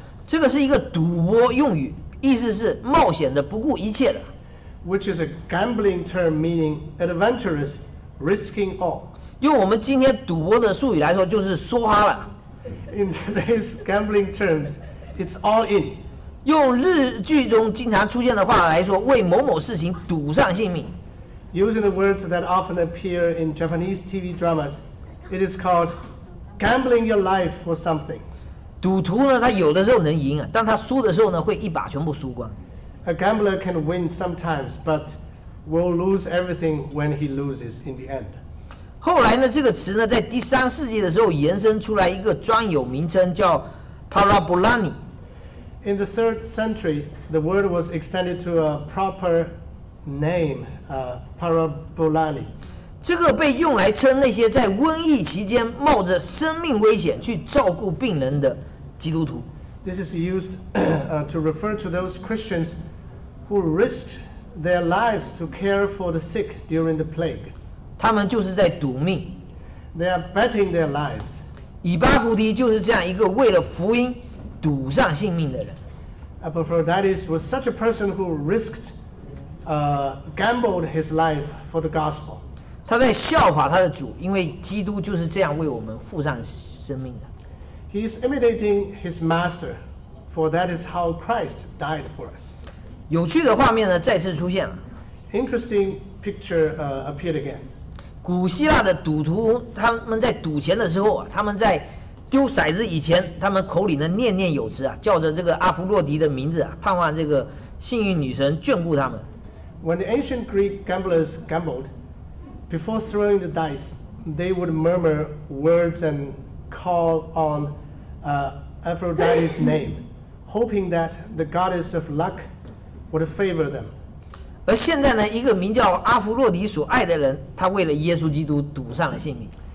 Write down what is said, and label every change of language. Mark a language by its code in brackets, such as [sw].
[zh] 这个是一个赌博用语，意思是冒险的，不顾一切的。 [en] Which is a gambling term meaning adventurous, risking all. [zh] 用我们今天赌博的术语来说，就是梭哈了。 [en] In today's gambling terms, it's all in. [zh] 用日剧中经常出现的话来说，为某某事情赌上性命。 [en] Using the words that often appear in Japanese TV dramas, it is called gambling your life for something. [zh] 赌徒呢，他有的时候能赢，但他输的时候呢，会一把全部输光。 [en] A gambler can win sometimes, but will lose everything when he loses in the end. [zh] 后来呢，这个词呢，在第三世纪的时候延伸出来一个专有名称，叫 parabolani。 [en] In the 3rd century, the word was extended to a proper name, parabolani. [zh] 这个被用来称那些在瘟疫期间冒着生命危险去照顾病人的基督徒。 [en] This is used to refer to those Christians who risked their lives to care for the sick during the plague. [zh] 他们就是在赌命。 [en] They are betting their lives. [zh] 以巴弗提就是这样一个为了福音赌上性命的人。 [en] Epaphroditus was such a person who risked, gambled his life for the gospel. [zh] 他在效法他的主，因为基督就是这样为我们付上生命的。 [en] He is imitating his master, for that is how Christ died for us. [zh] 有趣的画面呢再次出现了。 [en] Interesting picture, appeared again. [zh] 古希腊的赌徒，他们在赌钱的时候，他们在丢骰子以前，他们口里呢念念有词啊，叫着这个阿芙洛狄的名字啊，盼望这个幸运女神眷顾他们。 [en] When the ancient Greek gamblers gambled, before throwing the dice, they would murmur words and call on Aphrodite's name, hoping that the goddess of luck would favor them. [zh] 而现在呢，一个名叫阿芙洛狄所爱的人，他为了耶稣基督赌上了性命。